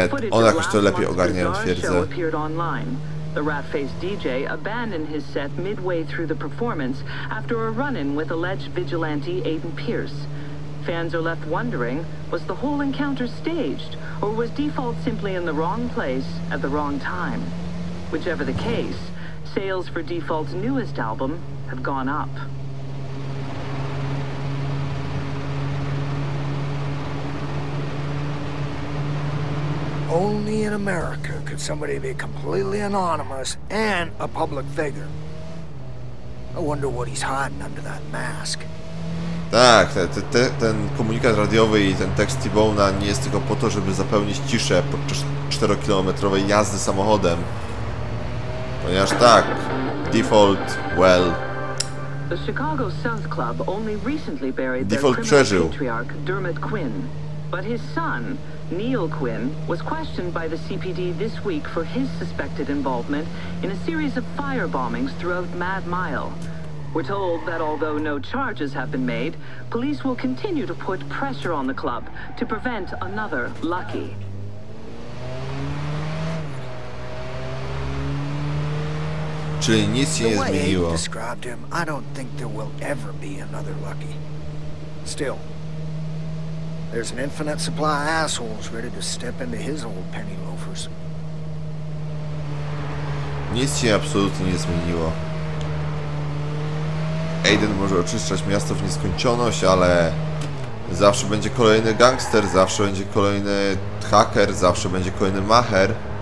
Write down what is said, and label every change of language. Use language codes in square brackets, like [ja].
[pl] One jakoś to lepiej ogarniają, twierdzę. [en] The rat-faced DJ abandoned his set midway through the performance after a run-in with alleged vigilante Aiden Pierce. Fans are left wondering, was the whole encounter staged, or was Default simply in the wrong place at the wrong time? Whichever the case, sales for Default's newest album have gone up. Only in America could somebody be completely anonymous and a public figure. I wonder what he's hiding under that mask. [pl] Tak, ten komunikat radiowy i ten tekst T-Bone'a nie jest tylko po to, żeby zapełnić ciszę podczas 4-kilometrowej jazdy samochodem. Ponieważ tak, Default, well... [en] The Chicago South Club only recently buried Default their criminal patriarch, Dermot Quinn. But his son, Neil Quinn, was questioned by the CPD this week for his suspected involvement in a series of firebombings throughout Mad Mile. We're told that although no charges have been made, police will continue to put pressure on the club to prevent another Lucky. [pl] Czyli nic się nie zmieniło. [en] The way he described him, I don't think there will ever be another Lucky. Still, there's an infinite supply of assholes ready to step into his old penny loafers. [pl] Nic się absolutnie nie zmieniło. Aiden może oczyszczać miasto w nieskończoność, ale zawsze będzie kolejny gangster, zawsze będzie kolejny hacker, zawsze będzie kolejny macher.